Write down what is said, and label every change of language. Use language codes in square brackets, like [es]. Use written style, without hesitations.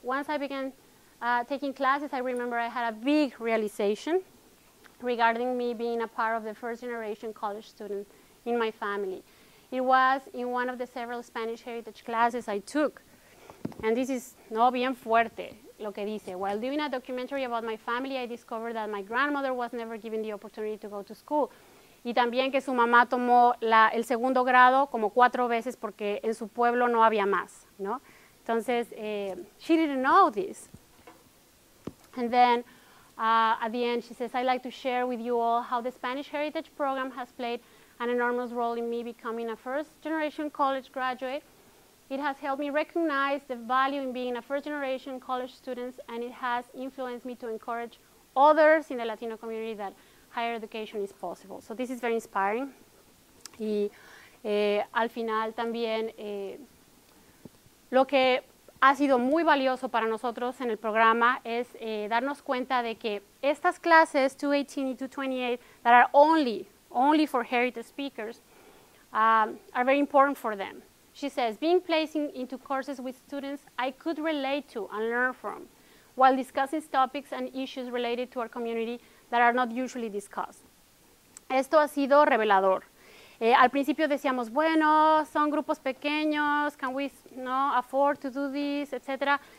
[en] Once I began taking classes, I remember I had a big realization regarding me being a part of the first generation college student in my family. It was in one of the several Spanish heritage classes I took. And this is [es] no bien fuerte, lo que dice. [en] While doing a documentary about my family, I discovered that my grandmother was never given the opportunity to go to school. [es] Y también que su mamá tomó el segundo grado como 4 veces porque en su pueblo no había más, ¿no? [en] Entonces, she didn't know this. And then, at the end, she says, I'd like to share with you all how the Spanish Heritage Program has played an enormous role in me becoming a first-generation college graduate. It has helped me recognize the value in being a first-generation college student, and it has influenced me to encourage others in the Latino community that higher education is possible. So this is very inspiring. [es] Y al final también lo que ha sido muy valioso para nosotros en el programa es darnos cuenta de que estas clases 218 y 228 [en] that are only for heritage speakers are very important for them. She says, being placed into courses with students I could relate to and learn from while discussing topics and issues related to our community that are not usually discussed. [es] Esto ha sido revelador. Al principio decíamos, bueno, son grupos pequeños, [en] can we afford to do this, [es] etc.